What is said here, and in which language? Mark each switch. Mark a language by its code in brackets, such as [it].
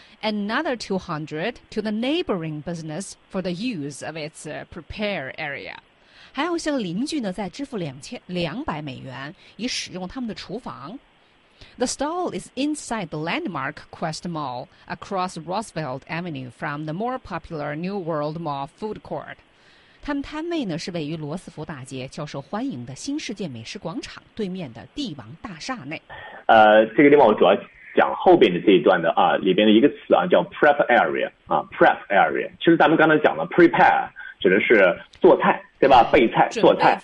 [en] Another $200 to the neighboring business for the use of its prepare area。 [zh] 还要向邻居呢再支付$2200以使用他们的厨房。 [en] The stall is inside the landmark Quest Mall across Roosevelt Avenue from the more popular New World Mall food court. [zh] 他们摊位呢是位于罗斯福大街较受欢迎的新世界美食广场对面的帝王大厦内。这个地方我主要讲后边的这一段的啊，里边的一个词啊叫 prep area 啊 prep area。其实咱们刚才讲了 prepare 指的是做菜，对吧？备菜、做菜，